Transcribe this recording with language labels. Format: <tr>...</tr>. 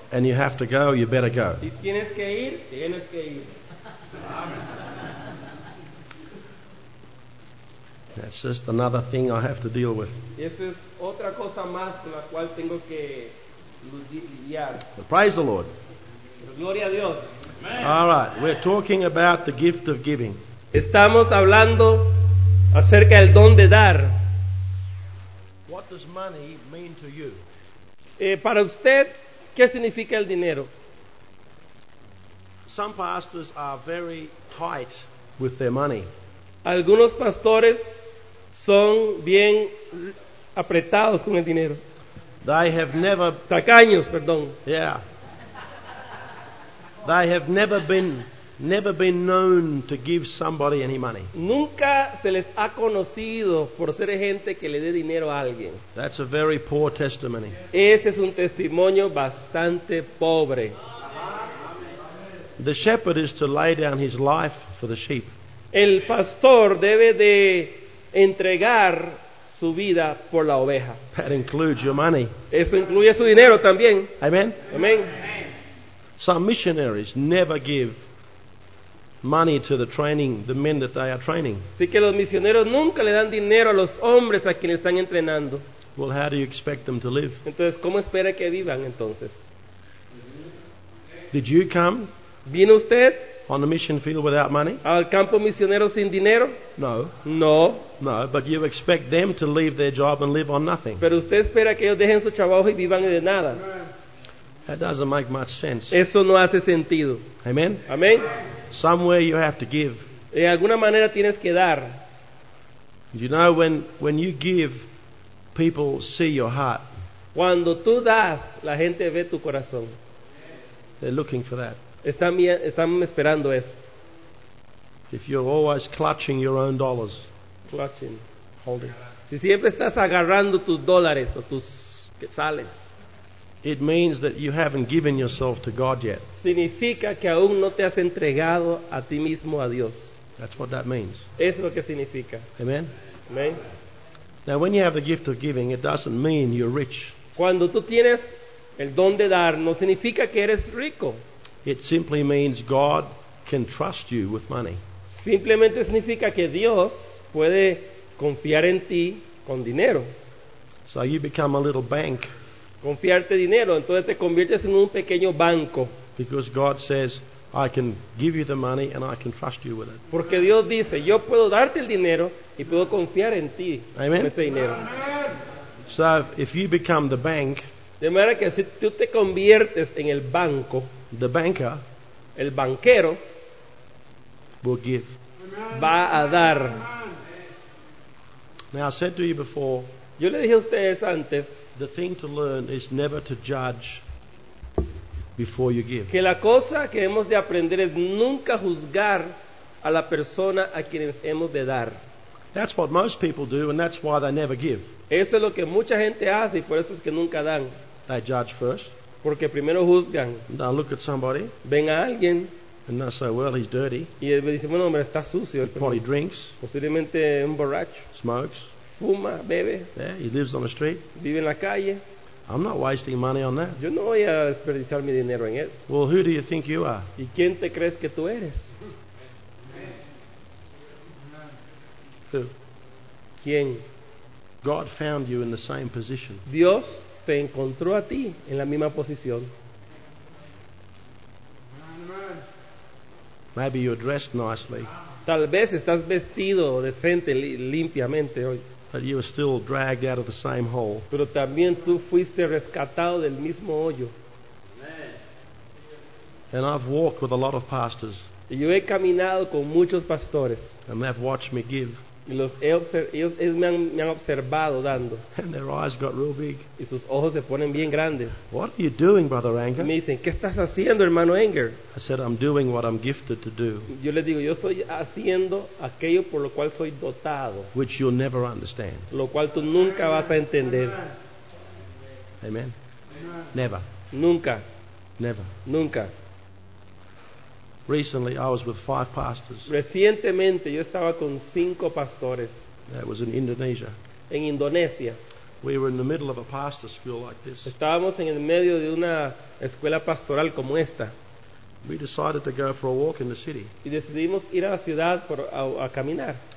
<en>and you have to go, you better go.</en> <es>Si tienes que ir, tienes que ir.</es> <en>That's just another thing I have to deal with.</en> <es>Eso es otra cosa más con la cual tengo que lidiar.</es> <en>But praise the Lord.</en> <es>Gloria a Dios.</es> <en>All right, we're talking about the gift of giving.</en> <es>Estamos hablando acerca del don de dar.</es> <en>What does money mean to you?</en> <es>Para usted, ¿qué significa el dinero?</es> <en>Some pastors are very tight with their money.</en> <es>Algunos pastores son bien apretados con el dinero.</es> <en>They have never...</en> <es>Tacaños, perdón.</es> <en>Yeah. They have never been known to give somebody any money.</en> <es>Nunca se les ha conocido por ser gente que le dé dinero a alguien.</es> <en>That's a very poor testimony.</en> <es>Ese es un testimonio bastante pobre.</es> <en>The shepherd is to lay down his life for the sheep.</en> <es>El pastor debe de entregar su vida por la oveja.</es> <en>That includes your money.</en> <es>Eso incluye su dinero también.</es> <en>Amen.</en> <es>Amen.</es> <en>Some missionaries never give money to the training, the men that they are training.</en> <es>Así que los misioneros nunca le dan dinero a los hombres a quienes están entrenando.</es> <en>Well, how do you expect them to live?</en> <es>Entonces, ¿cómo espera que vivan entonces?</es> <en>Did you come?</en> <es>¿Vino usted?</es> <en>On the mission field without money?</en> <es>¿Al campo misionero sin dinero?</es> <en>No.</en> <es>No.</es> <en>No, but you expect them to leave their job and live on nothing.</en> <es>Pero usted espera que ellos dejen su trabajo y vivan de nada.</es> <en>That doesn't make much sense.</en> <es>Eso no hace sentido.</es> <en>Amen.</en> <es>Amen.</es> <en>Somewhere you have to give.</en> <es>De alguna manera tienes que dar.</es> <en>You know, when you give, people see your heart.</en> <es>Cuando tú das, la gente ve tu corazón.</es> <en>They're looking for that.</en> <es>Están esperando eso.</es> <en>If you're always clutching your own dollars. Clutching. Holding.</en> <es>Si siempre estás agarrando tus dólares o tus quetzales.</es> <en>It means that you haven't given yourself to God yet.</en> <es>Significa que aún no te has entregado a ti mismo a Dios.</es> <en>That's what that means.</en> <es>Es lo que significa.</es> <en>Amen.</en> <es>Amen.</es> <en>Now, when you have the gift of giving, it doesn't mean you're rich.</en> <es>Cuando tú tienes el don de dar, no significa que eres rico.</es> <en>It simply means God can trust you with money.</en> <es>Simplemente significa que Dios puede confiar en ti con dinero.</es> <en>So you become a little bank.</en> <es>Confiarte dinero, entonces te conviertes en un pequeño banco.</es> <en>Because God says, I can give you the money and I can trust you with it.</en> <es>Porque Dios dice, yo puedo darte el dinero y puedo confiar en ti.</es> <en>Amen.</en> <es>Con ese dinero.</es> <en>So if you become the bank,</en> <es>de manera que si tú te conviertes en el banco,</es> <en>the banker,</en> <es>el banquero,</es> <en>will give.</en> <es>Va a dar.</es> <en>Now I said to you before,</en> <es>yo le dije a ustedes antes,</es> <en>the thing to learn is never to judge before you give.</en> <es>Que la cosa que hemos de aprender es nunca juzgar a la persona a quienes hemos de dar.</es> <en>That's what most people do, and that's why they never give.</en> <es>Eso es lo que mucha gente hace, y por eso es que nunca dan.</es> <en>They judge first.</en> <es>Porque primero juzgan.</es> <en>They look at somebody.</en> <es>Ven a alguien.</es> <en>And they say, "Well, he's dirty."</en> <es>Y me dicen, bueno, hombre, está sucio.</es> <en>He probably drinks.</en> <es>Posiblemente un borracho.</es> <en>Smokes.</en> <es>Fuma, bebe.</es> <en>Yeah, he lives on the street.</en> <es>Vive en la calle.</es> <en>I'm not wasting money on that.</en> <es>Yo no voy a desperdiciar mi dinero en él.</es> <en>Well, who do you think you are?</en> <es>¿Y quién te crees que tú eres?</es> <en>Who?</en> <es>¿Quién?</es> <en>God found you in the same position.</en> <es>Dios te encontró a ti en la misma posición.</es> <en>Maybe you're dressed nicely.</en> <es>Tal vez estás vestido decente, limpiamente hoy.</es> <en>But you were still dragged out of the same hole.</en> <es>Pero también tú fuiste rescatado del mismo hoyo.</es> <en>And I've walked with a lot of pastors.</en> <es>Y yo he caminado con muchos pastores.</es> <en>And they've watched me give.</en> <es>Y ellos me han observado dando.</es> <en>And their eyes got real big.</en> <es>Y sus ojos se ponen bien grandes.</es> <en>What are you doing, Brother Anger?</en> <es>Y me dicen, ¿qué estás haciendo, hermano Anger?</es> <en>I said, I'm doing what I'm gifted to do.</en> <es>Yo les digo, yo estoy haciendo aquello por lo cual soy dotado.</es> <en>Which you'll never understand.</en> <es>Lo cual tú nunca vas a entender.</es> <en>Amen. Amen. Never.</en> <es>Nunca.</es> <en>Never.</en> <es>Nunca.</es> <en>Recently, I was with 5 pastors.</en> <es>Recientemente, yo estaba con 5 pastores.</es> <en>That was in Indonesia.</en> <es>En Indonesia.</es> <en>We were in the middle of a pastor school like this.</en> <es>Estábamos en el medio de una escuela pastoral como esta.</es> <en>We decided to go for a walk in the city.</en> <es>Y decidimos ir a la ciudad por a caminar.</es>